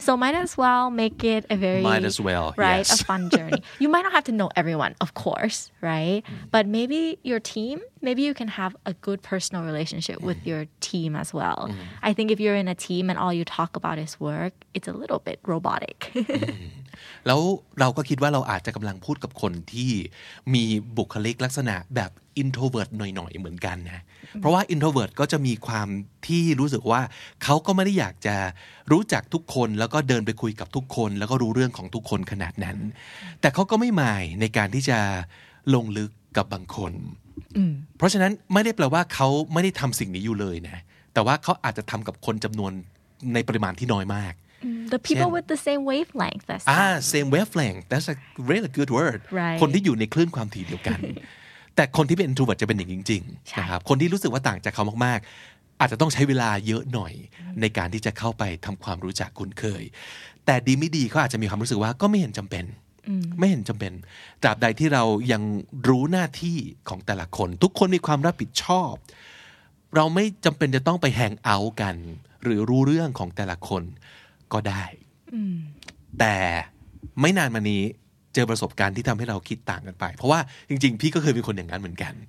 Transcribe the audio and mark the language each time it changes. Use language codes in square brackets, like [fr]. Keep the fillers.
[en] So might as well make it a very Might as well, right yes. a fun journey. you might not have to know everyone, of course, right? But maybe your team, maybe you can have a good personal relationship with your team as well. I think if you're in a team and all you talk about is work, it's a little bit robotic. [th] แล้วเราก็คิดว่าเราอาจจะกำลังพูดกับคนที่มีบุคลิกลักษณะแบบ introvert หน่อย ๆ เหมือนกันนะ เพราะว่า introvert ก็จะมีความที่รู้สึกว่าเขาก็ไม่ได้อยากจะรู้จักทุกคนแล้วก็เดินไปคุยกับทุกคน แล้วก็รู้เรื่องของทุกคนขนาดนั้น แต่เขาก็ไม่หมายในการที่จะลงลึกกับบางคน เพราะฉะนั้นไม่ได้แปลว่าเขาไม่ได้ทำสิ่งนี้อยู่เลยนะ แต่ว่าเขาอาจจะทำกับคนจำนวนในปริมาณที่น้อยมาก [en] the people with the same wavelength as อ่า same wavelength that's a really good word Right. [th] คนที่อยู่ในคลื่นความถี่เดียวกัน แต่คนที่เป็น introvert จะเป็นอย่างนี้จริง ใช่ ๆนะครับ คนที่รู้สึกว่าต่างจากเขามากๆ อาจจะต้องใช้เวลาเยอะหน่อย ในการที่จะเข้าไปทำความรู้จักคุ้นเคย แต่ดีไม่ดีเขาอาจจะมีความรู้สึกว่าก็ไม่เห็นจำเป็น ไม่เห็นจำเป็นตราบใดที่เรายังรู้หน้าที่ของแต่ละคน ทุกคนมีความรับผิดชอบ เราไม่จำเป็นจะต้องไปแฮงเอาท์กัน หรือรู้เรื่องของแต่ละคนก็ได้ แต่ไม่นานมานี้เจอประสบการณ์ที่ทำให้เราคิดต่างกันไป เพราะว่าจริงๆ พี่ก็เคยเป็นคนอย่างนั้นเหมือนกัน